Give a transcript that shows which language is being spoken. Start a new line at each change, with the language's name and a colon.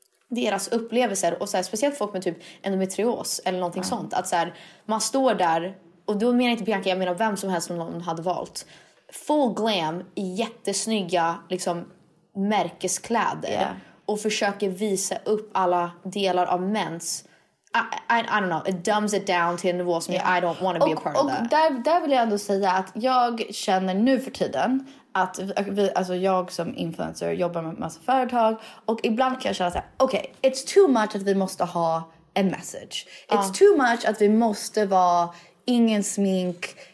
Swedish: Deras upplevelser, och så här, speciellt folk med typ endometrios eller någonting sånt. Att så här, man står där, och då menar jag inte Bianca, jag menar vem som helst som någon hade valt. Full glam, jättesnygga liksom, märkeskläder. Yeah. Och försöker visa upp alla delar av mens.
English: I don't know, it dumbs it down
Swedish: till en nivå som
English: I don't want to be a part of that.
Swedish: Och där vill jag ändå säga att jag känner nu för tiden att vi, alltså jag som influencer jobbar med massa företag, och ibland kan jag känna såhär, okej,
English: it's too much
Swedish: att vi måste ha en message.
English: It's too much
Swedish: att vi måste vara ingen smink.